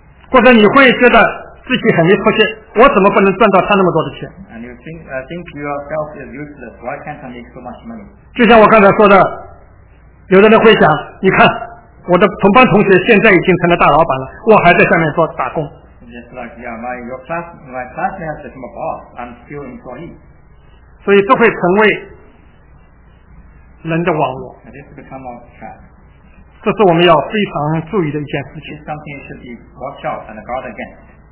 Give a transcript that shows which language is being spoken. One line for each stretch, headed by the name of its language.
Chinese: 或者你会觉得自己很没出息，我怎么不能赚到他那么多的钱？
English: And you think yourself is useless. Why can't I make so much money?
Chinese: 就像我刚才说的，有的人会想，你看我的同班同学现在已经成了大老板了，我还在下面做打工。
English: Just like yeah, my classmate has become a boss. I'm still employee.
Chinese: 所以这会成为人的网络。
English: And this become a trap.
Chinese: 这是我们要非常注意的一件事情。
English: It's something you should be watch out and guard against.